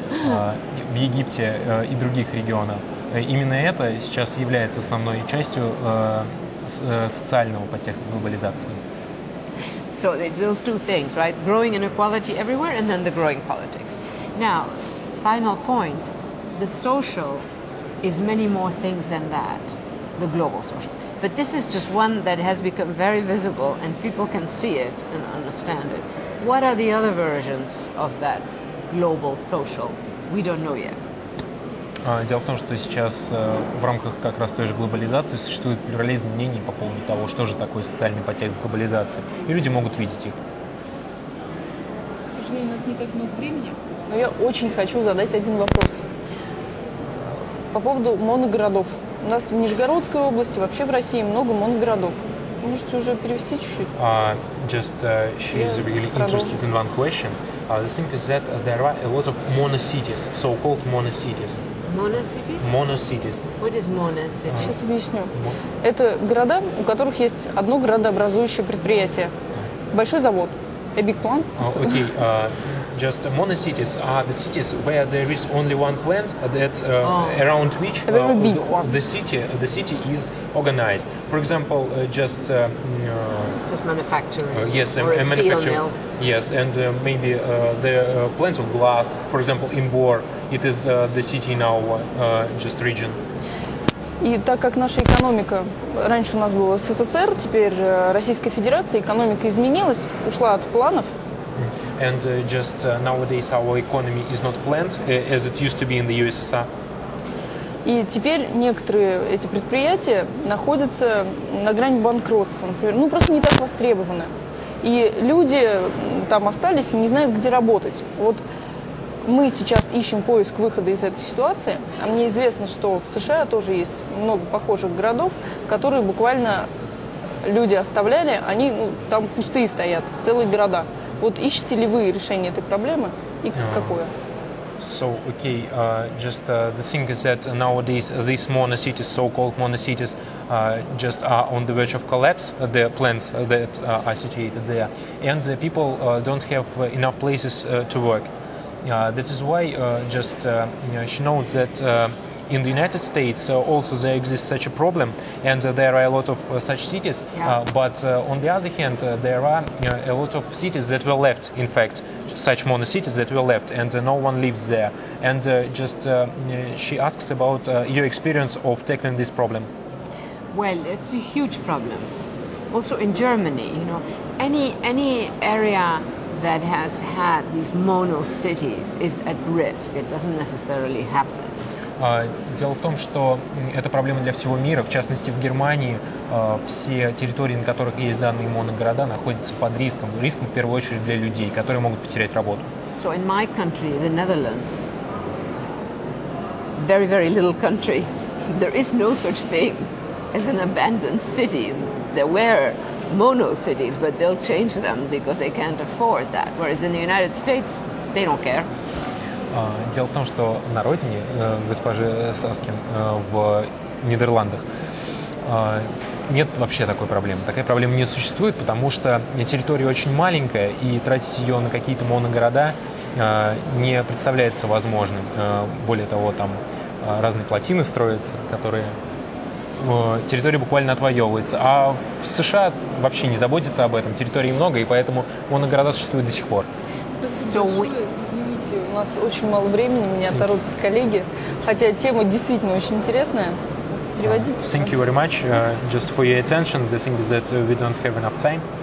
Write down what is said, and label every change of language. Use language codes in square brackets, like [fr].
[ru] В Египте и других регионах. Именно это сейчас является основной частью социального подтекста глобализации. [en] So it's those two things, right? Growing inequality everywhere and then the growing politics. Now, final point. The social is many more things than that. The global social. But this is just one that has become very visible and people can see it and understand it. What are the other versions of that global social? We don't know yet. [ru] Дело в том, что сейчас в рамках как раз той же глобализации существует плюрализм мнений по поводу того, что же такое социальный подтекст глобализации. И люди могут видеть их. К сожалению, у нас не так много времени, но я очень хочу задать один вопрос. По поводу моногородов. У нас в Нижегородской области, вообще в России, много моногородов. Можете уже перевести чуть-чуть? [en] She's really interested in one question. The thing is that there are a lot of mono-cities, so-called mono-cities. Mono-cities? What is mono-cities? [ru] Сейчас объясню. Это города, у которых есть одно городообразующее предприятие. Большой завод. [en] A big plant. Okay. Just mono-cities are the cities where there is only one plant that around which the city is organized. For example, just manufacturing. Yes, a manufacturing. Mill. Yes, and maybe the plant of glass, for example, in Bor, it is the city in our just region. [ru] И так как наша экономика, раньше у нас было СССР, теперь Российская Федерация, экономика изменилась, ушла от планов. [en] And just nowadays our economy is not planned as it used to be in the USSR. [ru] И теперь некоторые эти предприятия находятся на грани банкротства, например, ну просто не так востребованы. И люди там остались и не знают, где работать. Вот мы сейчас ищем поиск выхода из этой ситуации. А мне известно, что в США тоже есть много похожих городов, которые буквально люди оставляли, они ну, там пустые стоят, целые города. Вот ищете ли вы решение этой проблемы и какое? [en] So, So, okay, just the thing is that nowadays these monocities, so-called monocities, just are on the verge of collapse, the plants that are situated there. And the people don't have enough places to work. That is why just she notes that in the United States also there exists such a problem, and there are a lot of such cities. Yeah. But on the other hand, there are a lot of cities that were left, in fact, such monocities that were left, and no one lives there. And just she asks about your experience of tackling this problem. Well, it's a huge problem. Also in Germany, you know, any area that has had these mono cities is at risk. It doesn't necessarily happen. [ru] Дело в том, что это проблема для всего мира, в частности в Германии. Все территории, на которых есть данные моногорода, находятся под риском. Риском, в первую очередь, для людей, которые могут потерять работу. [en] So in my country, the Netherlands, very, very little country, there is no such thing as an abandoned city. There were mono cities, but they'll change them because they can't afford that. Whereas in the United States, they don't care. [ru] Дело в том, что на родине госпожи Саскин в Нидерландах нет вообще такой проблемы. Такая проблема не существует, потому что территория очень маленькая, и тратить ее на какие-то моногорода не представляется возможным. Более того, там разные плотины строятся, которые территория буквально отвоевывается. А в США вообще не заботится об этом. Территории много, и поэтому моногорода существуют до сих пор. Извините, у нас очень мало времени, меня торопят коллеги. Хотя тема действительно очень интересная. Переводите. [en] Thank you very much just for your attention. The thing is that we don't have enough time.